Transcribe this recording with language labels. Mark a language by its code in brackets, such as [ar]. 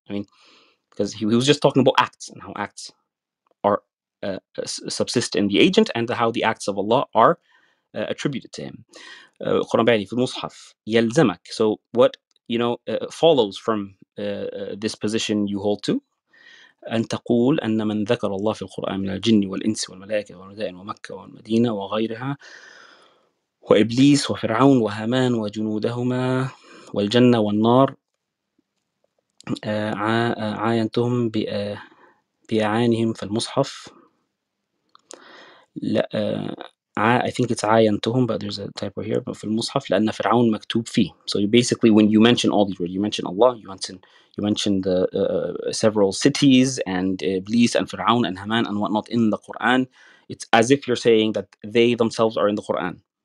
[en] I mean, because he was just talking about acts and how acts are subsist in the agent and how the acts of Allah are attributed to him. [ar] Qur'an bi'ayni fil Mus'haf yalzamak. [en] So what, you know, follows from this position you hold to? [ar] أن تقول أن من ذكر الله في القرآن من الجن والإنس والملائكة والنداء ومكة والمدينة وغيرها وإبليس وفرعون وهامان وجنودهما والجنة والنار عاينتهم بأعانهم في المصحف لا [en] I think it's [ar] عاينتهم, [en] but there's a typo here, but [ar] في المصحف لأن فرعون مكتوب فيه. [en] So you basically, when you mention all these words, you mention Allah, you mention the several cities and Iblis and Fir'aun and Haman and whatnot in the Quran, it's as if you're saying that they themselves are in the Quran.